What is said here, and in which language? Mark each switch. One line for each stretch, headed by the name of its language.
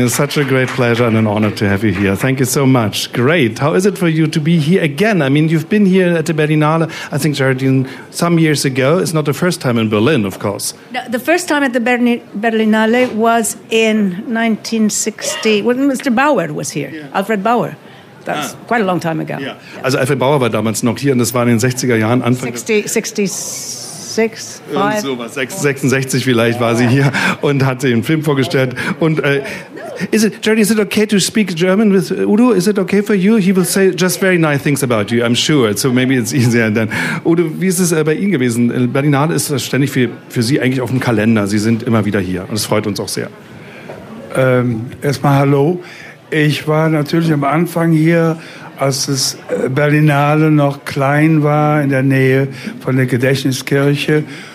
English: It's such a great pleasure and an honor to have you here. Thank you so much. Great. How is it for you to be here again? I mean, you've been here at the Berlinale, I think, Geraldine, some years ago. It's not the first time in Berlin, of course. The first time at the Berlinale was in 1960, when Mr. Bauer was here, yeah. Alfred Bauer. That's quite a long time ago. Yeah. Yeah.
German: Also Alfred Bauer war damals noch hier, und das war in den 60er Jahren, Anfang 66 vielleicht war sie hier und hat den Film vorgestellt.
English: Und is it okay to speak German with Udo? Is it okay for you? He will say just very nice things about you, I'm sure. So maybe it's easier then.
German: Udo, wie ist es bei Ihnen gewesen? Berlinale ist das ständig für Sie eigentlich auf dem Kalender. Sie sind immer wieder hier und es freut uns auch sehr. Erstmal hallo. Ich war natürlich am Anfang hier, als das Berlinale noch klein war, in der Nähe von der Gedächtniskirche.